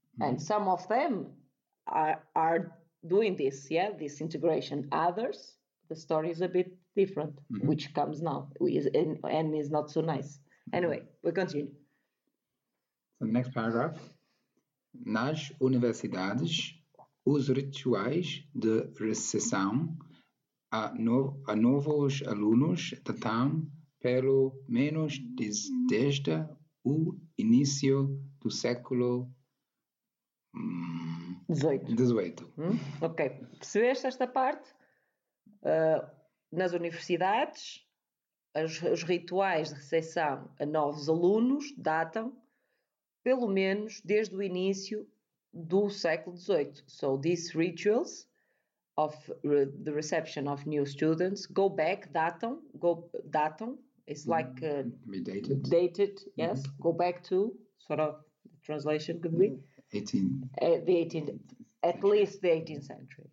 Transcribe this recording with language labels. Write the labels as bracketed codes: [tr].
[en] And some of them are doing this, this integration. Others, the story is a bit different, which comes now and is not so nice. Anyway, we continue. So next paragraph. [pt] Nas universidades, os rituais de recepção a novos alunos datam pelo menos desde o início do século XVIII. Ok. Percebeste esta parte? Nas universidades, os rituais de recepção a novos alunos datam pelo menos desde o início do século XVIII. [en] So, these rituals of the reception of new students go back, datam, it's like dated, yes. Go back to sort of translation could be 18th, at least the 18th century.